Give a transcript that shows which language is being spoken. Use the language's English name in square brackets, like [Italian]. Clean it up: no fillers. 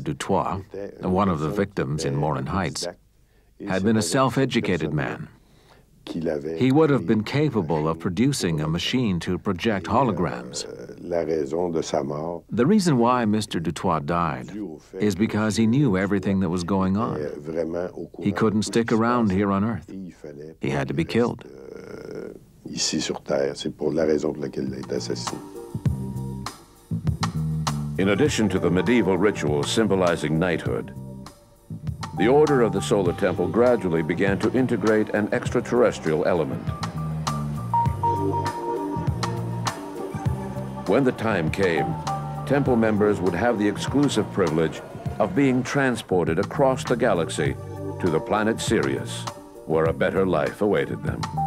[English] Dutoit, one of the victims in Morin Heights, had been a self-educated man. He would have been capable of producing a machine to project holograms. The reason why Mr. Dutoit died is because he knew everything that was going on. He couldn't stick around here on Earth. He had to be killed. [French] Ici sur Terre, c'est pour la raison pour laquelle il a été assassiné. [English] In addition to the medieval rituals symbolizing knighthood, the Order of the Solar Temple gradually began to integrate an extraterrestrial element. When the time came, temple members would have the exclusive privilege of being transported across the galaxy to the planet Sirius, where a better life awaited them.